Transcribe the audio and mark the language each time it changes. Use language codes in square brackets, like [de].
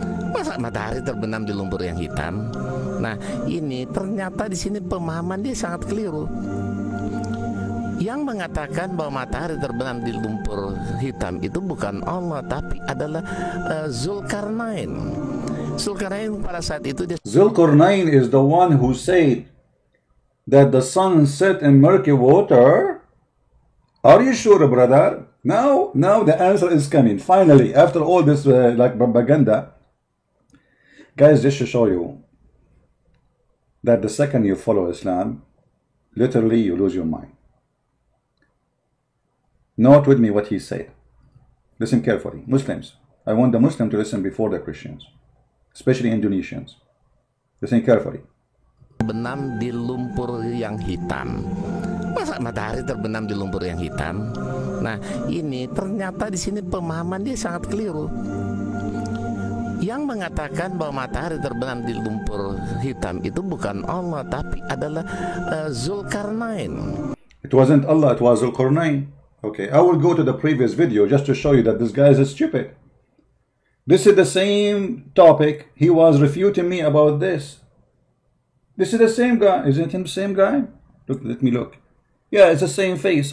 [id] Masa matahari terbenam di lumpur yang hitam? Nah, ini ternyata di sini pemahaman dia sangat keliru. Yang mengatakan bahwa matahari terbenam di lumpur hitam itu bukan Allah tapi adalah Zulkarnain. Zulkarnain pada saat itu dia... [en] Zulkarnain is the one who said that the sun set in murky water. Are you sure, brother? Now the answer is coming. Finally, after all this like propaganda, guys, just to show you, that the second you follow Islam, literally you lose your mind. Note with me what he said. Listen carefully. Muslims, I want the Muslim to listen before the Christians, especially Indonesians. Listen carefully. [id] Benam di lumpur yang hitam. Masa matahari terbenam di lumpur yang hitam? Nah, ini ternyata di sini pemahaman dia sangat keliru. Yang mengatakan bahwa matahari terbenam di lumpur hitam itu bukan Allah, tapi adalah Zulkarnain. [en] It wasn't Allah, it was Zulkarnain. Okay, I will go to the previous video just to show you that this guy is stupid. This is the same topic. He was refuting me about this. This is the same guy. Isn't him the same guy? Look, let me look. Yeah, it's the same face.